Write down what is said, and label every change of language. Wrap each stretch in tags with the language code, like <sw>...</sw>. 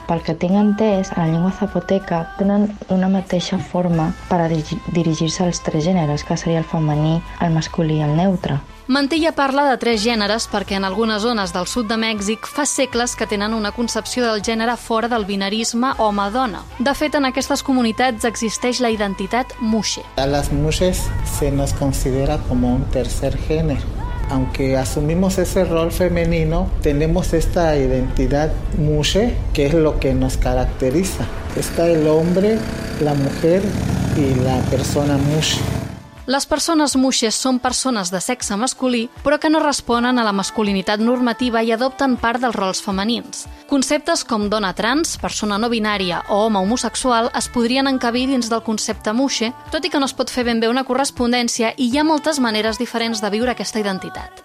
<ca>Pel que tinc entès, en la llengua zapoteca tenen una mateixa forma per a dirigir-se als tres gèneres, que seria el femení, el masculí i el neutre. Mantilla parla de tres gèneres perquè en algunes zones del sud de Mèxic fa segles que tenen una concepció del gènere fora del binarisme home-dona. De fet, en aquestes comunitats existeix la identitat muxe.</ca> <es>A las muxes se nos considera como un tercer género. Aunque asumimos ese rol femenino, tenemos esta identidad muxe, que es lo que nos caracteriza. Está el hombre, la mujer y la persona muxe.</es> <ca>Les persones muxes són persones de sexe masculí, però que no responen a la masculinitat normativa i adopten part dels rols femenins. Conceptes com dona trans, persona no binària o home homosexual es podrien encabir dins del concepte muxe, tot i que no es pot fer ben bé una correspondència i hi ha moltes maneres diferents de viure aquesta identitat.</ca>